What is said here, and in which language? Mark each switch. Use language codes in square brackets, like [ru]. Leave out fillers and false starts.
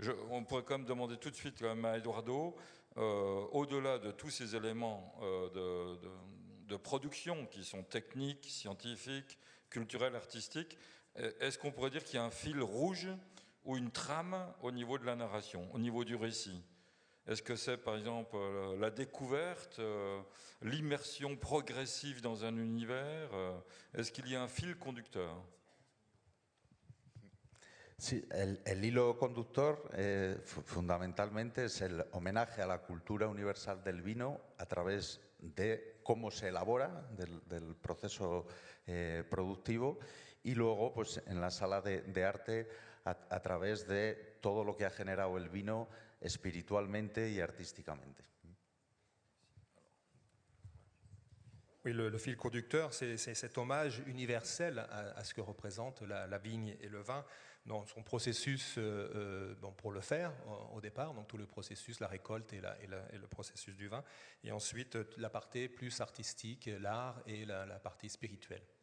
[fr] On pourrait quand même demander tout de suite quand même à Eduardo, au-delà de tous ces éléments de production qui sont techniques, scientifiques, culturels, artistiques, est-ce qu'on pourrait dire qu'il y a un fil rouge ou une trame au niveau de la narration, au niveau du récit ? Est-ce que c'est par exemple la découverte, l'immersion progressive dans un univers ? Est-ce qu'il y a un fil conducteur ? [es] Sí, el hilo conductor fundamentalmente es el homenaje a la cultura universal del vino a través de cómo se elabora, del proceso productivo y luego pues, en la sala de arte a través de todo lo que ha generado el vino espiritualmente y artísticamente. [fr] Oui, le fil conducteur, c'est cet hommage universel à ce que représente la vigne et le vin dans son processus pour le faire au départ, donc tout le processus, la récolte et le processus du vin, et ensuite la partie plus artistique, l'art et la partie spirituelle.